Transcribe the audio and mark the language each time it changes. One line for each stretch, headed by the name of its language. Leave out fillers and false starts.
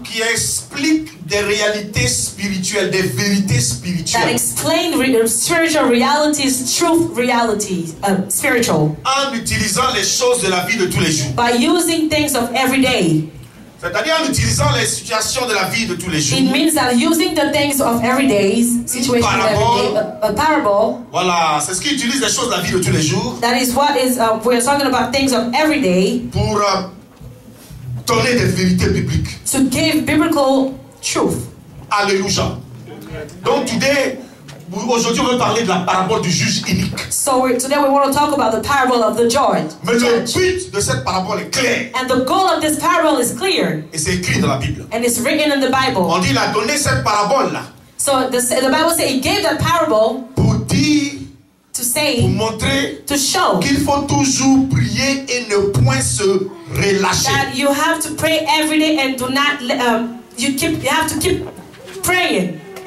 French: Qui explique des réalités spirituelles, des vérités spirituelles.
English: That explain spiritual realities, truth realities, spiritual.
French: En utilisant les choses de la vie de tous les jours.
English: By using things of every day.
French: C'est-à-dire en utilisant les situations de la vie de tous les jours.
English: It means that using the things of everyday situations. A parable.
French: Voilà, c'est ce qui utilise les choses de la vie de tous les jours.
English: That is what is we are talking about things of everyday.
French: Pour donner des vérités bibliques.
English: To give biblical truth. Alléluia.
French: Donc
English: today,
French: aujourd'hui, on va parler de la parabole du juge unique.
English: So today we want to talk about the parable of the judge.
French: Mais le but de cette parabole est clair.
English: And the goal of this parable is clear.
French: Et c'est écrit dans la Bible.
English: And it's written in the Bible.
French: On dit il a donné cette parabole là.
English: So the Bible says he gave that parable.
French: Pour dire.
English: To say.
French: Pour montrer.
English: To show.
French: Qu'il faut toujours prier et ne point se relâcher.
English: That you have to pray every day and do not you have to keep praying.